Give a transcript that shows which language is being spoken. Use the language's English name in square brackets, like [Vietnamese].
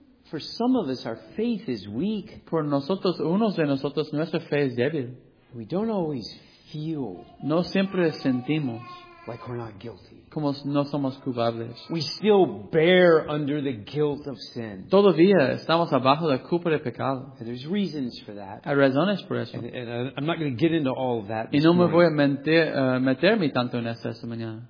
[English] For some of us, our faith is weak. [Spanish] Por nosotros, unos de nosotros, nuestra fe es débil. [English] We don't always. Feel. [Spanish] No siempre sentimos [English] like we're not guilty. [Spanish] Como no somos culpables. [English] We still bear under the guilt of sin. [Spanish] Todavía estamos abajo la culpa de pecado. [English] And there's reasons for that. [Spanish] Hay razones por eso. [English] And I'm not going to get into all of that. [Spanish] Y no me voy a meterme tanto en esta mañana.